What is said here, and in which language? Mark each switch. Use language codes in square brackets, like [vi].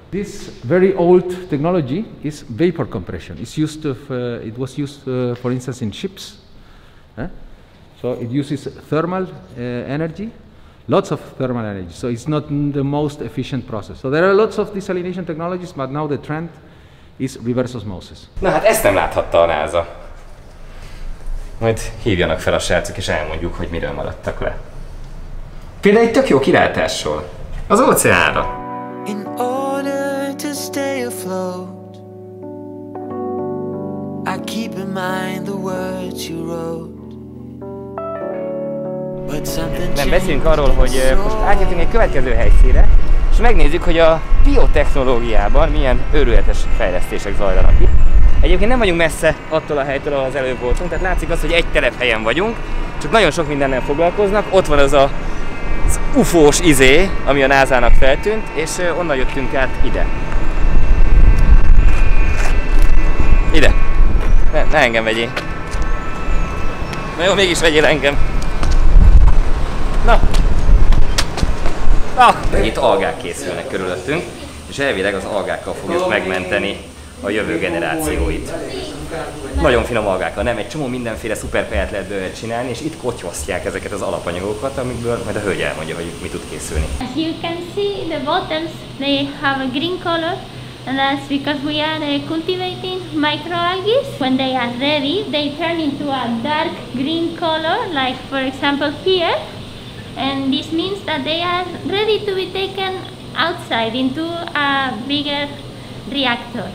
[en] This very old technology is vapor compression. It's used of, it was used, for instance, in ships. So it uses thermal energy, lots of thermal energy. So it's not the most efficient process. So there are lots of desalination technologies, but now the trend is reverse osmosis. [hu] Na hát ezt nem láthatta a NASA. Majd hívjanak fel a srácok, és elmondjuk, hogy miről maradtak le. Például egy tök jó kilátásról. Az óceánra. [en] In order to stay afloat, I keep in mind the words you wrote. [hu] Nem beszélünk arról, hogy most átjöttünk egy következő helyszínre, és megnézzük, hogy a biotechnológiában milyen őrületes fejlesztések zajlanak itt. Egyébként nem vagyunk messze attól a helytől, ahol az előbb voltunk, tehát látszik az, hogy egy telephelyen vagyunk, csak nagyon sok mindennel foglalkoznak, ott van az a az ufós izé, ami a NASA-nak feltűnt, és onnan jöttünk át ide. Ide. Ne engem vegyél. Na jó, mégis vegyél engem. Na. Na. Itt algák készülnek körülöttünk, és elvileg az algákkal fogjuk megmenteni a jövő generációit. Nagyon finom algák, nem egy csomó mindenféle szuper pelyet lehet belőle csinálni, és itt kotyvasztják ezeket az alapanyagokat, amikből majd a hölgy elmondja, hogy mi tud készülni. [en] As you can see, the bottoms, they have a green color, and that's because we are cultivating microalgae. When they are ready, they turn into a dark green color, like for example here, and this means that they are ready to be taken outside into a bigger reactor.